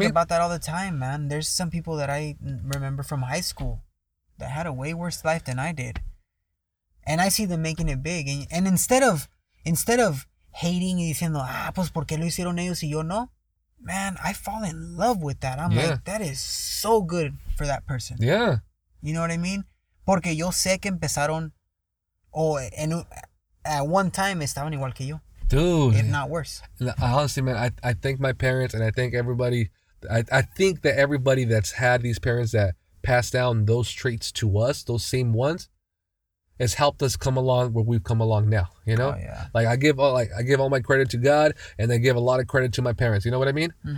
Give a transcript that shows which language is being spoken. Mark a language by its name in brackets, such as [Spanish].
[English] I think about that all the time, man. There's some people that I remember from high school that had a way worse life than I did. And I see them making it big. And instead of hating y diciendo, pues, ¿por qué lo hicieron ellos y yo no? Man, I fall in love with that. I'm yeah. like, that is so good for that person. Yeah. You know what I mean? [Spanish] Porque yo sé que empezaron, at one time estaban igual que yo. [English] Dude. If not worse. Honestly, man, I thank my parents and I thank everybody. I think that everybody that's had these parents that passed down those traits to us, those same ones, has helped us come along where we've come along now, you know? Oh, yeah. Like, I give all my credit to God and I give a lot of credit to my parents. You know what I mean?